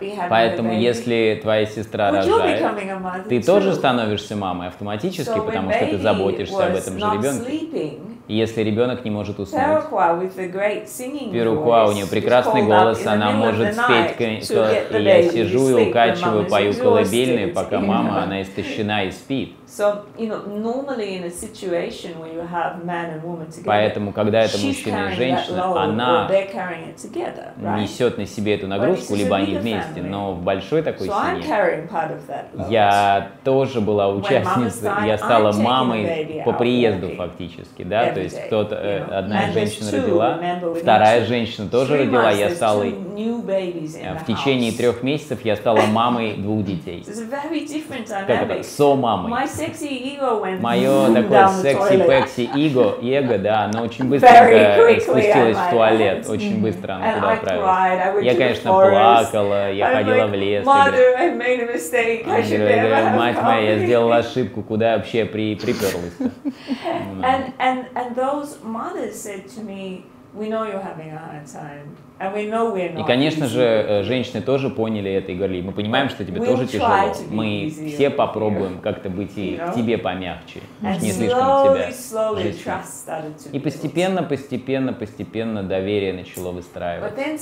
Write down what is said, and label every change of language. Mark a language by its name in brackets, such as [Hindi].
[Russian] Поэтому если твоя сестра рожает, ты тоже становишься мамой автоматически, потому что ты заботишься об этом же ребенке. Если ребенок не может уснуть, Перукуа, у нее прекрасный голос, она может спеть, я сижу и укачиваю, пою колыбельные, пока мама, она истощена и спит. [English] So, you know, normally in a situation where you have man and woman together, [Russian] поэтому, когда это мужчина и женщина, она несет на себе эту нагрузку, либо они вместе, но в большой такой семье я тоже была участницей, я стала мамой по приезду фактически, да, то есть кто-то, одна женщина родила, вторая женщина тоже родила, я стала, в течение 3 месяцев я стала мамой 2 детей. Как это? Со-мамой. Мое такое секси-пекси-эго, да, оно очень быстро спустилось в туалет, очень быстро оно туда отправилось. Я, конечно, плакала, я ходила в лес. Я говорю, мать моя, я сделала ошибку, куда я вообще приперлась-то? [English] We know you're having a hard time, and we know we're not. [Russian] И, конечно же, женщины тоже поняли это и говорили: мы понимаем, что тебе тоже тяжело. Мы все попробуем как-то быть к тебе помягче, не слишком тебя. И постепенно, постепенно, постепенно доверие начало выстраиваться.